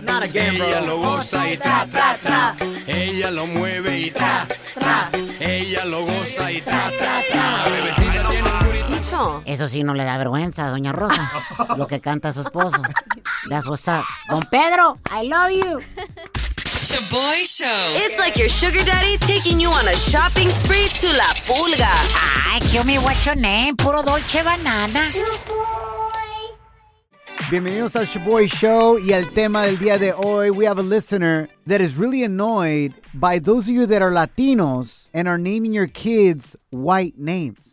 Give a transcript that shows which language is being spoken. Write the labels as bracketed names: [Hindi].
[English] Not again, bro. [Spanish] Ella lo goza y tra, tra, tra. Ella lo mueve y tra, tra. Ella lo goza y tra, tra, tra. La bebecita tiene un curito. Micho. Eso sí no le da vergüenza a Doña Rosa, lo que canta su esposo. [English] That's what's up. Don Pedro, I love you. Shaboy Show. It's like your sugar daddy taking you on a shopping spree to La Pulga. Ay, kill me, what's your name? Puro Dolce Banana. Shaboy. [Spanish] Bienvenidos al Shaboy Show y al tema del día de hoy. [English] We have a listener that is really annoyed by those of you that are Latinos and are naming your kids white names.